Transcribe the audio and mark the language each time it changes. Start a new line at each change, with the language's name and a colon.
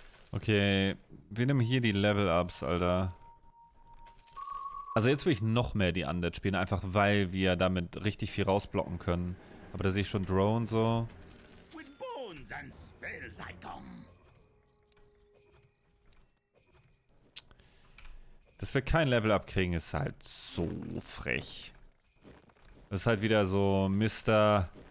German: Okay, wir nehmen hier die Level-Ups, Alter. Also jetzt will ich noch mehr die Undead spielen, einfach weil wir damit richtig viel rausblocken können. Aber da sehe ich schon Drone so.
English: With bones and spells I come.
German: Dass wir kein Level abkriegen, ist halt so frech. Das ist halt wieder so Mr.